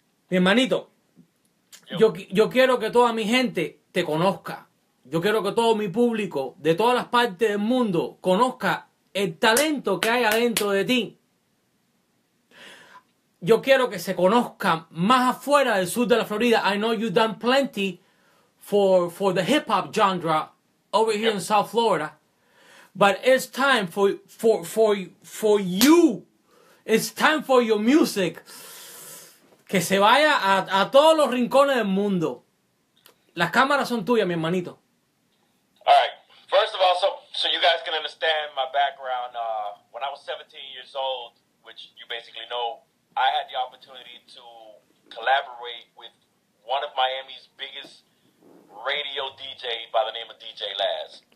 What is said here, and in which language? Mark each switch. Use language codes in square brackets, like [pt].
[es] Mi hermanito, yo quiero que toda mi gente te conozca. Yo quiero que todo mi público de todas las partes del mundo conozca el talento que hay adentro de ti. Yo quiero que se conozca más afuera del sur de la Florida. [en] I know you've done plenty for the hip-hop genre over here in South Florida. But it's time for you. It's time for your music. [es] Que se vaya a todos los rincones del mundo. Las cámaras son tuyas, mi hermanito. [en] All right. First of all, so you guys can understand my background. When I was 17 years old, which you basically know, I had the opportunity to collaborate with one of Miami's biggest radio DJ by the name of DJ Laz.